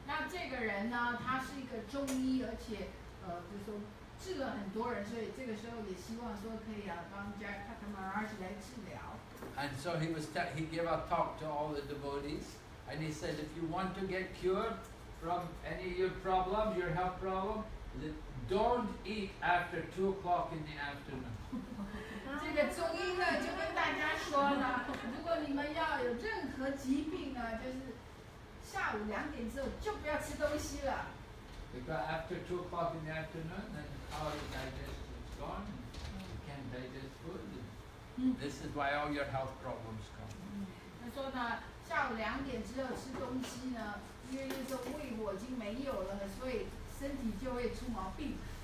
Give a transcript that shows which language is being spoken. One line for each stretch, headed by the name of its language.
Chinese: 那这个人呢，他是一个中医，而且就说治了很多人，所以这个时候也希望说可以帮 Jayapataka Maharaj 来治疗。
English: And so he gave a talk to all the devotees, and he said, if you want to get cured from any of your problems, your health problem, don't eat after 2 o'clock in the afternoon.
Chinese: 这个中医呢就跟大家说呢，如果你们要有任何疾病呢，就是下午两点之后就不要吃东西了。
English: Because after 2 o'clock in the afternoon, then the power of digestion is gone. You can't digest food. This is why all your health problems come.
Chinese: 他说呢，下午两点之后吃东西呢，因为这个胃火已经没有了，所以身体就会出毛病。